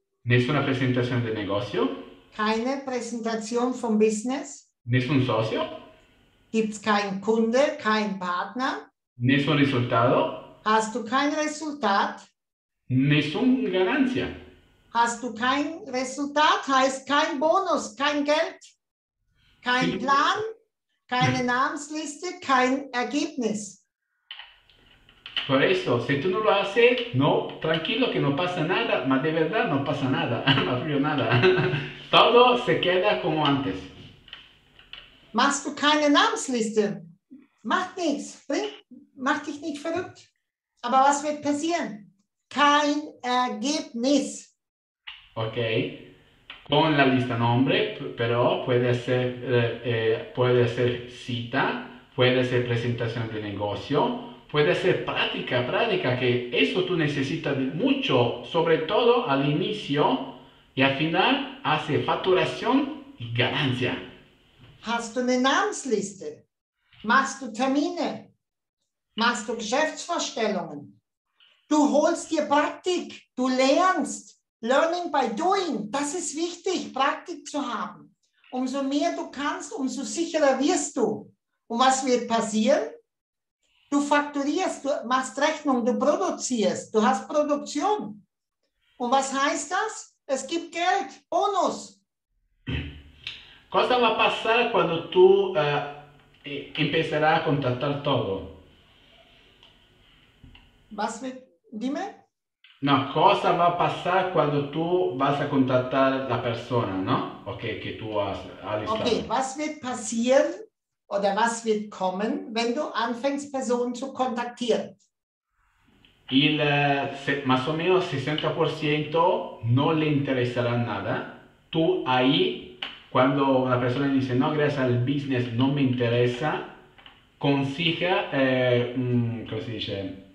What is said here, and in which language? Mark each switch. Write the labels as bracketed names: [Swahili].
[Spanish] Nessuna presentación de negocio. [German] Keine Präsentation vom Business. [Italian] Nessun socio. [German] Gibt's keinen Kunde, keinen Partner. [Italian] Nessun risultato. [German] Hast du kein Resultat? [Italian] Nessun ganancia. [German] Hast du kein Resultat, heißt kein Bonus, kein Geld, kein Plan, Keine Namensliste, kein Ergebnis. [Spanish] Por eso, si tú no lo haces, no, tranquilo que no pasa nada, ma de verdad no pasa nada, no fluye nada. Todo se queda como antes. [German] Machst du keine Namensliste? Macht nichts, mach dich nicht verrückt. Aber was wird passieren? Kein Ergebnis. Okay. [Spanish] Con la lista nombre, pero puede ser cita, puede ser presentación de negocio, puede ser práctica, que eso tú necesitas mucho, sobre todo al inicio y al final hace facturación y ganancia. [German] Hast du eine Namensliste? Machst du Termine? Machst du Geschäftsvorstellungen? Du holst dir Praktik, du lernst. [English] Learning by doing, [German] das ist wichtig, Praktik zu haben. Umso mehr du kannst, umso sicherer wirst du. Und was wird passieren? Du fakturierst, du machst Rechnung, du produzierst, du hast Produktion. Und was heißt das? Es gibt Geld, Bonus. [Spanish] Cosa va a pasar cuando tú empezarás a contactar todo? [German] Was wird, [Spanish] dime? No, cosa va a pasar cuando tú vas a contactar la persona, ¿no? Okay, que tú has alistado. [German] Okay, was wird passieren oder was wird kommen, wenn du anfängst, Personen zu kontaktieren? [Spanish] Il más o menos 60% no le interesará nada. Tú ahí, cuando una persona dice, no, gracias al business, no me interesa, consiga, ¿cómo se dice?